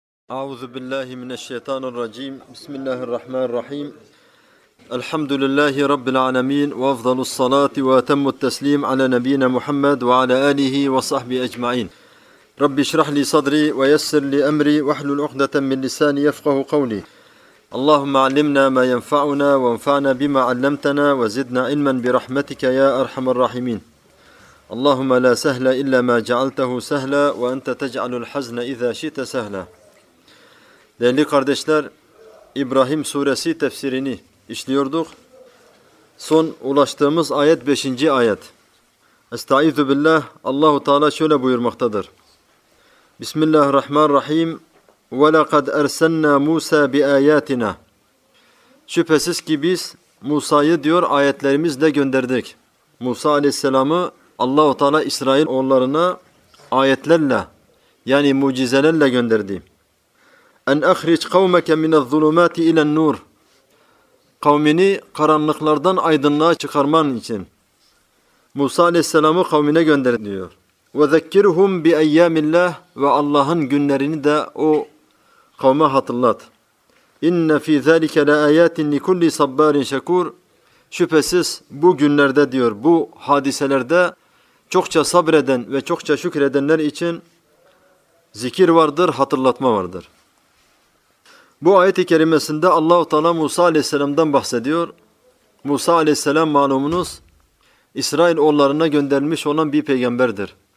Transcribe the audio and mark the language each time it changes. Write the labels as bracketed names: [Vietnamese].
[Arabic] أعوذ بالله من الشيطان الرجيم بسم الله الرحمن الرحيم الحمد لله رب العالمين وأفضل الصلاة وأتم التسليم على نبينا محمد وعلى آله وصحبه أجمعين رب اشرح لي صدري ويسر لي أمري واحلل عقدة من لساني يفقه قولي اللهم علمنا ما ينفعنا وانفعنا بما علمتنا وزدنا علما برحمتك يا أرحم الراحمين اللهم لا سهل إلا ما جعلته سهلا وأنت تجعل الحزن إذا شئت سهلا. [Turkish] Değerli kardeşler, İbrahim suresi tefsirini işliyorduk. Son ulaştığımız ayet 5. ayet. Estaizu billah, Allah-u Teala şöyle buyurmaktadır. [Arabic] Bismillahirrahmanirrahim. وَلَقَدْ اَرْسَلْنَا مُوسَى بِآيَاتِنَا. [Turkish] Şüphesiz ki biz Musa'yı diyor ayetlerimizle gönderdik. Musa aleyhisselamı Allah-u Teala İsrail oğullarına ayetlerle yani mucizelerle gönderdi. [Arabic] أن أخرج قومك من الظلمات إلى النور. [Turkish] Kavmini karanlıklardan aydınlığa çıkarman için Musa aleyhisselamı kavmine gönder diyor. [Arabic] وذكرهم بأيام الله [Turkish] ve Allah'ın günlerini de o kavme hatırlat. [Arabic] إن في ذلك لآيات لكل صبار شكور. [Turkish] Şüphesiz bu günlerde diyor, bu hadiselerde çokça sabreden ve çokça şükredenler için zikir vardır, hatırlatma vardır. Bu ayet-i kerimesinde Allah-u Teala Musa aleyhisselam'dan bahsediyor. Musa aleyhisselam malumunuz İsrail oğullarına gönderilmiş olan bir peygamberdir.